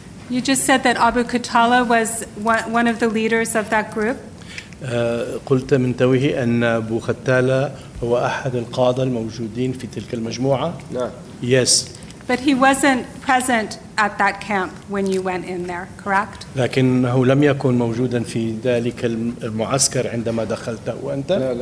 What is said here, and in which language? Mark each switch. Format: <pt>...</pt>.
<en>You just said that Abu Qatala was one of the leaders of that group.</en> <ar>قلت من توه أن أبو ختالة هو أحد القادة الموجودين في تلك المجموعة.</ar> <en>Yes. But he wasn't present at that camp when you went in there, correct?</en> <ar>لكنه لم يكن موجودا في ذلك المعسكر عندما دخلت وأنت.</ar>